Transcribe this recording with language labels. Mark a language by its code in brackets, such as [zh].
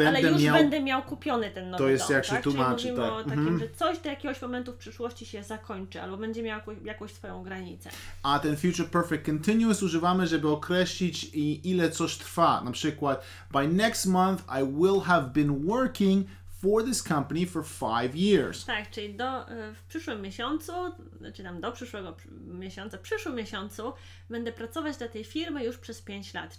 [pl] Ale już będę miał kupiony ten nowy dom. To jest dom, jak tak? się tłumaczy, czyli mówimy tak. o takim, mm-hmm. że coś do jakiegoś momentu w przyszłości się zakończy albo będzie miał jakąś swoją granicę. A ten Future Perfect Continuous używamy, żeby określić ile coś trwa. Na przykład, [en] by next month I will have been working for this company for 5 years. [pl] Tak, czyli w przyszłym miesiącu, znaczy tam do przyszłego miesiąca, w przyszłym miesiącu będę pracować dla tej firmy już przez 5 lat.